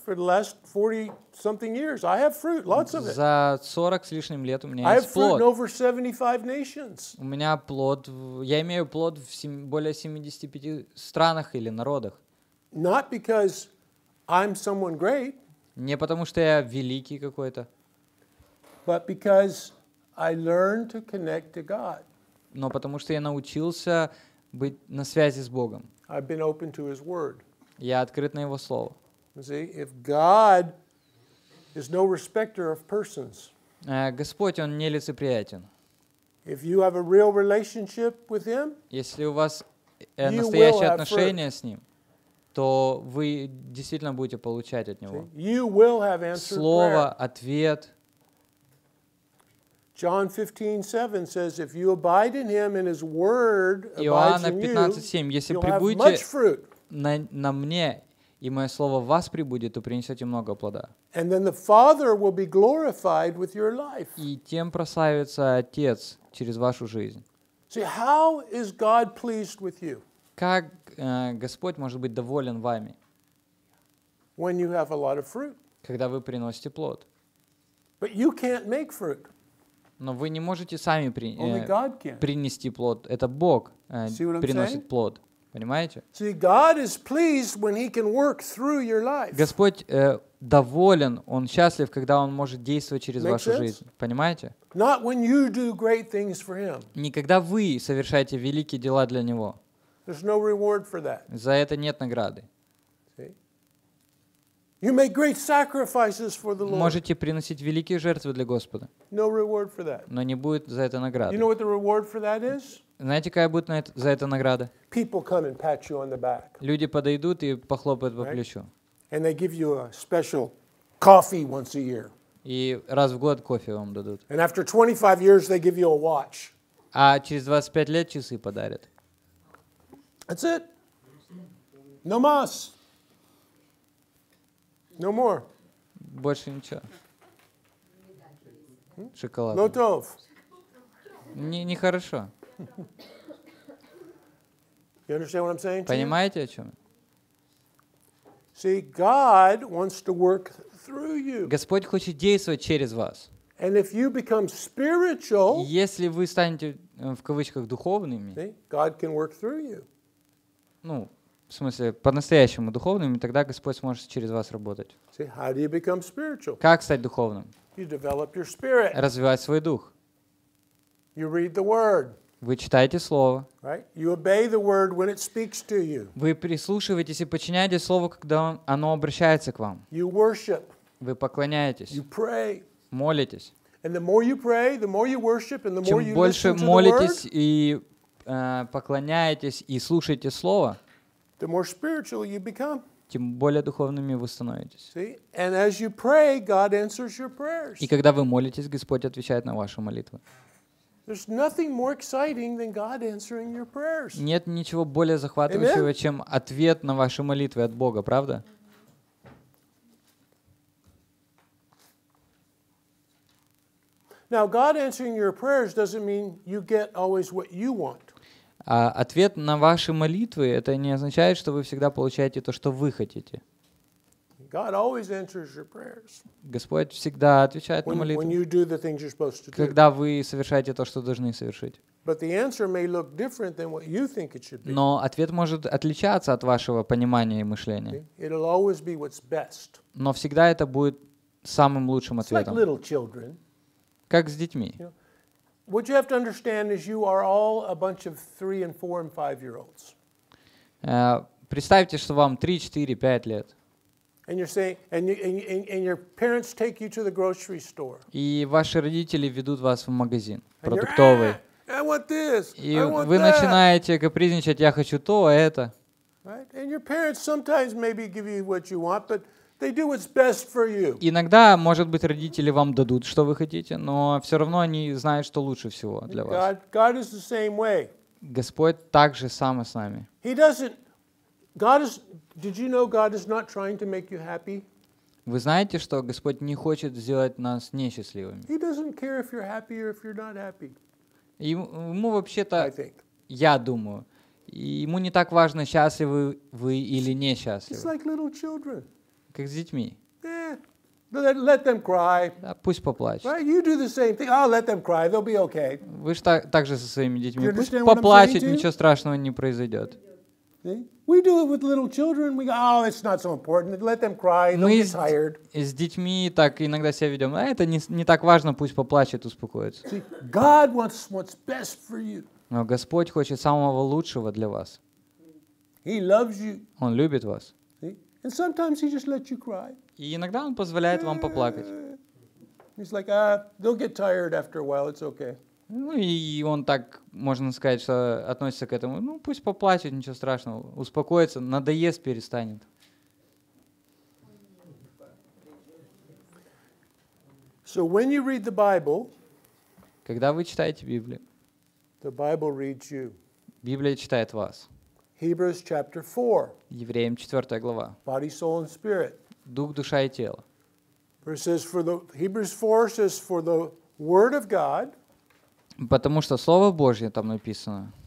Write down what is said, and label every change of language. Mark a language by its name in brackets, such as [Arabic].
[English] For the last 40 something years, I have fruit, lots of it. [Russian] За 40 с лишним лет у меня есть плод. [English] I have fruit over 75 nations. [Russian] У меня плод, я имею плод в более 75 странах или народах. [English] Not because I'm someone great. [Russian] Не потому что я великий какой-то. [English] But because I learned to connect to God. [Russian] Но потому что я научился быть на связи с Богом. [English] I've been open to His word. [Russian] Я открыт на Его слово. [English] See, if God is no respecter of persons, [Russian] Господь, Он нелицеприятен. [English] If you have a real relationship with Him, [Russian] если у вас настоящие отношения с Ним, то вы действительно будете получать от Него. [English] See, you will have answered prayer. [Russian] Слово, ответ. [English] John 15:7 says, "If you abide in Him and His word abides in you, [Russian] Иоанна 15:7, если прибудете на мне и мое слово в вас прибудет, то принесете много плода. [English] And then the Father will be glorified with your life. [Russian] И тем прославится Отец через вашу жизнь. [English] See, how is God pleased with you? [Russian] Как Господь может быть доволен вами? [English] When you have a lot of fruit. [Russian] Когда вы приносите плод. [English] But you can't make fruit. [Russian] Но вы не можете сами принести плод. Это Бог приносит плод. Понимаете? [English] See, God is pleased when He can work through your life. [Russian] Господь доволен, Он счастлив, когда Он может действовать через [English] Make [Russian] вашу [English] sense? [Russian] Жизнь. Понимаете? [English] Not when you do great things for Him. [Russian] Не когда вы совершаете великие дела для Него. [English] There's no reward for that. [Russian] За это нет награды. [English] See? You make great sacrifices for the Lord. [Russian] Можете приносить великие жертвы для Господа. [English] No reward for that. [Russian] Но не будет за это награды. [English] You know what the reward for that is? [Russian] Знаете, какая будет за это награда? [English] People come and pat you on the back. [Russian] Люди подойдут и похлопают по плечу. [English] And they give you a special coffee once a year. [Russian] И раз в год кофе вам дадут. [English] And after 25 years they give you a watch. [Russian] А через 25 лет часы подарят. [English] That's it. [Spanish] No mas. [English] No more. [Russian] Больше ничего. Шоколад. [English] No tov. [Russian] Не хорошо. [English] You understand what I'm saying? [Russian] Понимаете, о чем? [English] See, God wants to work through you. [Russian] Господь хочет действовать через вас. [English] And if you become spiritual, [Russian] если вы станете в кавычках духовными, [English] see, God can work through you. [Russian] Ну, в смысле, по-настоящему духовным, и тогда Господь сможет через вас работать. [English] See, how do you become spiritual? [Russian] Как стать духовным? [English] You develop your spirit. [Russian] Развивать свой дух. [English] You read the word. [Russian] Вы читаете Слово. [English] Right? You obey the word when it speaks to you. [Russian] Вы прислушиваетесь и подчиняете Слово, когда оно обращается к вам. [English] You worship. [Russian] Вы поклоняетесь. [English] You pray. [Russian] Молитесь. [English] And the more you pray, the more you worship, and the more you listen to the word. [Russian] Чем больше молитесь и поклоняетесь и слушаете Слово, [English] the more spiritual you become. [Russian] Тем более духовными вы становитесь. [English] See? And as you pray, God answers your prayers. [Russian] И когда вы молитесь, Господь отвечает на ваши молитвы. [English] There's nothing more exciting than God answering your prayers. [Russian] Нет ничего более захватывающего, чем ответ на ваши молитвы от Бога, правда? [English] Now, God answering your prayers doesn't mean you get always what you want. [Russian] А ответ на ваши молитвы это не означает, что вы всегда получаете то, что вы хотите. [English] God always answers your prayers. [Russian] Господь всегда отвечает на молитвы. [English] When you do the things you're supposed to do. [Russian] Когда вы совершаете то, что должны совершить. [English] But the answer may look different than what you think it should be. [Russian] Но ответ может отличаться от вашего понимания и мышления. [English] It'll always be what's best. [Russian] Но всегда это будет самым лучшим ответом. [English] It's like little children. [Russian] Как с детьми. [English] What you have to understand is you are all a bunch of 3, 4, and 5-year-olds. [Russian] Представьте, что вам 3, 4, 5 лет. [English] And you're saying, and your parents take you to the grocery store. [Russian] И ваши родители ведут вас в магазин продуктовый. [English] I want this. [Russian] И вы начинаете капризничать: я хочу то, а это. [English] Right? And your parents sometimes maybe give you what you want, but they do what's best for you. [Russian] Иногда, может быть, родители вам дадут, что вы хотите, но все равно они знают, что лучше всего для вас. [English] God is the same way. [Russian] Господь так же сам и с нами. [English] He doesn't. God is. Did you know God is not trying to make you happy? [Russian] Вы знаете, что Господь не хочет сделать нас несчастливыми. [English] He doesn't care if you're happy or if you're not happy. [Russian] Ему вообще-то, я думаю, ему не так важно, счастливы вы или несчастливы. [English] It's like little children. [Russian] Как с детьми. [English] Let them cry. [Russian] Да, пусть поплачут. [English] Right? You do the same thing. I'll let them cry. They'll be okay. [Russian] Вы же так же со своими детьми. Пусть поплачут, ничего страшного не произойдет. [English] We do it with little children. We go, oh, it's not so important. Let them cry. They'll be tired. [Russian] С детьми так иногда себя ведем. А это не так важно. Пусть поплачет, успокоится. [English] See, God wants what's best for you. [Russian] Но Господь хочет самого лучшего для вас. [English] He loves you. [Russian] Он любит вас. [English] See? And sometimes he just lets you cry. [Russian] И иногда он позволяет вам поплакать. [English] He's like, they'll get tired after a while. It's okay. [Russian] Ну и он так, можно сказать, что относится к этому. Ну пусть поплачет, ничего страшного. Успокоится, надоест, перестанет. [English] So when you read the Bible, [Russian] когда вы читаете Библию, [English] the Bible reads you. [Russian] Библия читает вас. [English] Hebrews chapter 4. [Russian] Евреям 4 глава. [English] Body, soul, and spirit. [Russian] Дух, душа и тело. [English] Hebrews 4 says for the word of God. [Russian] Потому что Слово Божье там написано.